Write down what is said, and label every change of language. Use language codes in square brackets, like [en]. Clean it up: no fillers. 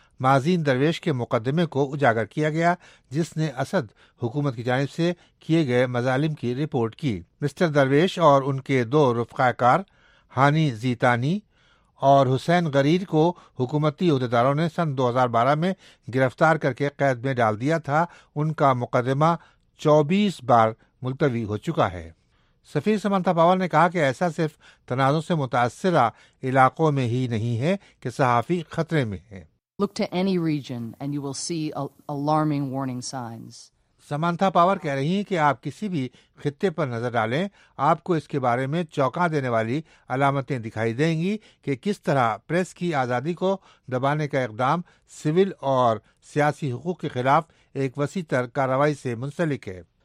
[ur] مازین درویش کے مقدمے کو اجاگر کیا گیا جس نے اسد حکومت کی جانب سے کیے گئے مظالم کی رپورٹ کی۔ مسٹر درویش اور ان کے دو رفقہ کار ہانی زیتانی اور حسین غریر کو حکومتی عہدیداروں نے سن 2012 میں گرفتار کر کے قید میں ڈال دیا تھا۔ ان کا مقدمہ 24 بار ملتوی ہو چکا ہے۔ سفیر سمانتھا پاور نے کہا کہ ایسا صرف تنازع سے متاثرہ علاقوں میں ہی نہیں ہے کہ صحافی خطرے میں ہیں۔ [en] Look to any region and you will see alarming warning signs. [ur] سمانتھا power کہہ رہی ہیں کہ آپ کسی بھی خطے پر نظر ڈالیں، آپ کو اس کے بارے میں چونکا دینے والی علامتیں دکھائی دیں گی کہ کس طرح پریس کی آزادی کو دبانے کا اقدام سول اور سیاسی حقوق کے خلاف ایک وسیع تر کارروائی سے منسلک ہے۔